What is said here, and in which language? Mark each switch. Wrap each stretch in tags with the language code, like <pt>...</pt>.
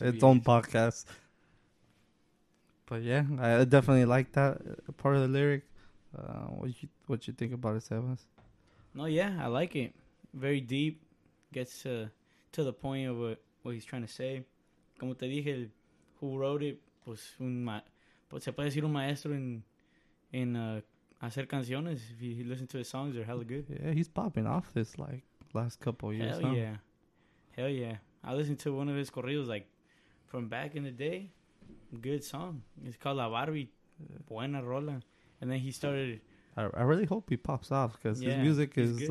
<en>Yeah, it's own podcast. But yeah, I definitely like that part of the lyric. What you think about it, Sebas? No, yeah, I like it. Very deep. Gets to the point of what he's trying to say.</en> <es>Como te dije,</es> <en>who wrote it?</en> <es>Pues se puede decir un maestro en hacer canciones.</es> <en>If you listen to his songs, they're hella good. Yeah, he's popping off this, like, last couple years, huh? Hell yeah. I listened to one of his corridos, like, from back in the day. Good song. It's called La Barbie.</en> <es>Buena rola.</es> <en>And then he started... I really hope he pops off, because his music is good.</en>